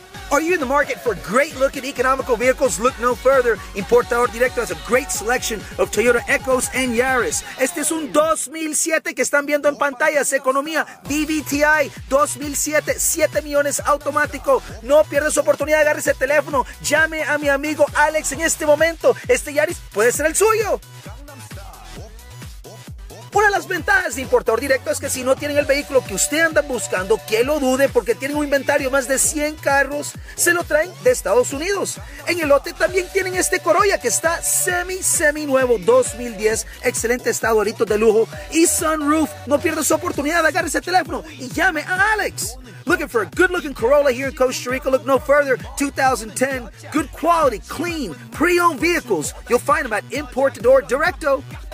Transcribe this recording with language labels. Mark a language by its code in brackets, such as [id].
[en] Are you in the market for great-looking economical vehicles? Look no further. Importador Directo has a great selection of Toyota Echos and Yaris. [es] Este es un 2007 que están viendo en pantallas. Economía, DVTI, 2007, 7 millones automático. No pierdas oportunidad, agarre ese teléfono. Llame a mi amigo Alex en este momento. Este Yaris puede ser el suyo. Una de las ventajas de Importador Directo es que si no tienen el vehículo que usted anda buscando, que lo dude, porque tienen un inventario más de 100 carros, se lo traen de Estados Unidos. En el lote también tienen este Corolla que está semi nuevo, 2010, excelente estado, aritos de lujo y sunroof. No pierdas su oportunidad, agarre ese teléfono y llame a Alex. [en] Looking for a good looking Corolla here in Costa Rica? Look no further. 2010, good quality, clean, pre-owned vehicles. You'll find them at Importador Directo.